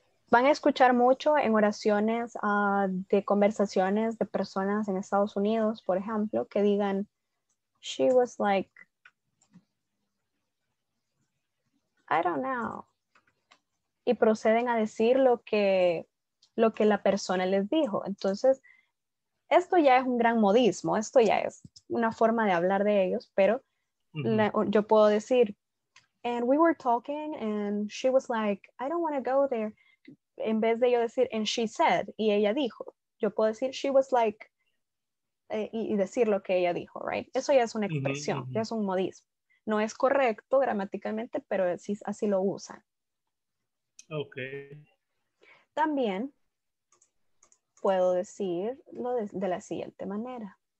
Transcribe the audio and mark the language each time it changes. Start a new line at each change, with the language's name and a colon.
Spanish: Van a escuchar mucho en oraciones de conversaciones de personas en Estados Unidos, por ejemplo, que digan,
English: she was like, I don't know.
Spanish: Y proceden a decir lo que la persona les dijo. Entonces, esto ya es un gran modismo. Esto ya es una forma de hablar de ellos. Pero yo puedo decir,
English: and we were talking and she was like, I don't want to go there.
Spanish: En vez de yo decir,
English: and she said,
Spanish: y ella dijo. Yo puedo decir,
English: she was like,
Spanish: y decir lo que ella dijo, right? Eso ya es una expresión, ya es un modismo. No es correcto gramaticalmente, pero así lo usan. Ok. También puedo decir lo de la siguiente manera.